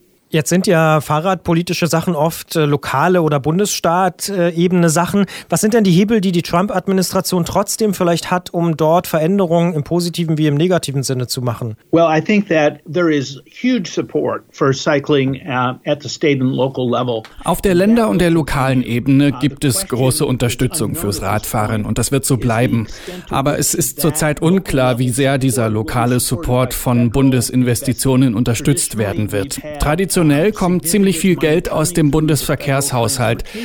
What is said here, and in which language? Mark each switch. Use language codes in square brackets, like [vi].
[de] Jetzt sind ja fahrradpolitische Sachen oft lokale oder Bundesstaat-Ebene Sachen. Was sind denn die Hebel, die Trump-Administration trotzdem vielleicht hat, um dort Veränderungen im positiven wie im negativen Sinne zu machen? [en] Well, I think that there is huge support for cycling at the state and local level. [de] Auf der Länder- und der lokalen Ebene gibt es große Unterstützung fürs Radfahren und das wird so bleiben. Aber es ist zurzeit unklar, wie sehr dieser lokale Support von Bundesinvestitionen unterstützt werden wird. Traditionell kommt ziemlich viel Geld aus dem Bundesverkehrshaushalt.